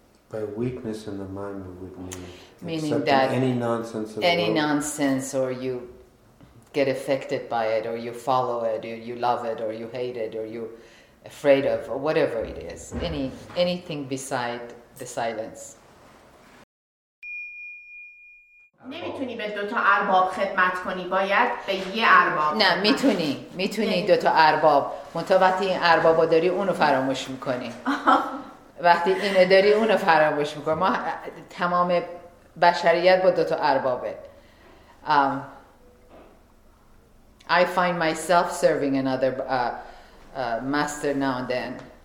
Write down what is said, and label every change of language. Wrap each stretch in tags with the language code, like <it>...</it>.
<en>By weakness in the mind, we would mean meaning that any nonsense, of any the world. Nonsense, or you get affected by it, or you follow it, or you love it, or you hate it, or you afraid of, or whatever it is, anything beside the silence.</en> <fa>نمیتونی به دوتا ارباب خدمت کنی، باید به یه ارباب. نه میتونی، میتونی دوتا ارباب. منتها وقتی این ارباب داری، اونو فراموش میکنی. وقتی اینه داری اونو فراموش میکنه. ما تمام بشریت با دوتا اربابه.</fa> <en>I find myself serving another master now and then.</en>